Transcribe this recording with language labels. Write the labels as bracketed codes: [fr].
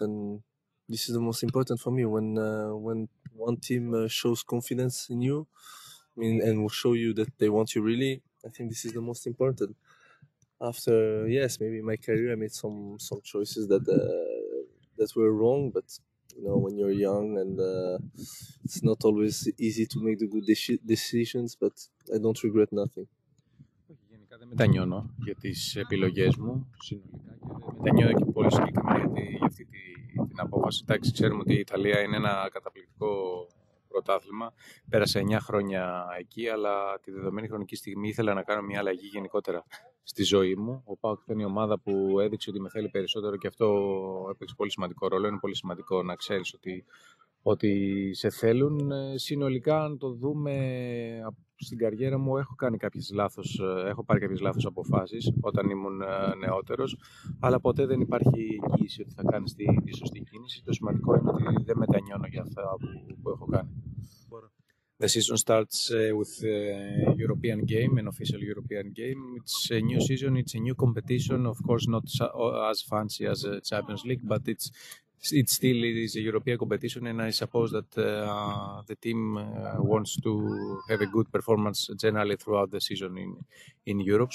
[en] And this is the most important for me. When one team shows confidence in you, and will show you that they want you really, I think this is the most important. After, yes, maybe my career, I made some choices that that were wrong, but you know, when you're young and it's not always easy to make the good decisions, but I don't regret nothing. [el] Γενικά δεν μετανιώνω για τις επιλογές μου συνολικά και δεν μετανιώνω και πολύ συγκεκριμένα για αυτή την απόφαση. Εντάξει, ξέρουμε ότι η Ιταλία είναι ένα καταπληκτικό πρωτάθλημα. Πέρασε 9 χρόνια εκεί, αλλά τη δεδομένη χρονική στιγμή ήθελα να κάνω μια αλλαγή γενικότερα στη ζωή μου. Ο ΠΑΟΚ ήταν η ομάδα που έδειξε ότι με θέλει περισσότερο και αυτό έπαιξε πολύ σημαντικό ρόλο. Είναι πολύ σημαντικό να ξέρεις ότι σε θέλουν. Συνολικά, αν το δούμε στην καριέρα μου, έχω κάνει κάποιες λάθος, έχω πάρει κάποιες λάθος αποφάσεις όταν ήμουν νεότερος, αλλά ποτέ δεν υπάρχει εγγύηση ότι θα κάνεις τη σωστή κίνηση. Το σημαντικό είναι ότι δεν μετανιώνω για αυτά που έχω κάνει. [en] The season starts with European game, an official European game. It's a new season, it's a new competition, of course not as fancy as Champions League, but it is a European competition, and I suppose that the team wants to have a good performance generally throughout the season in Europe.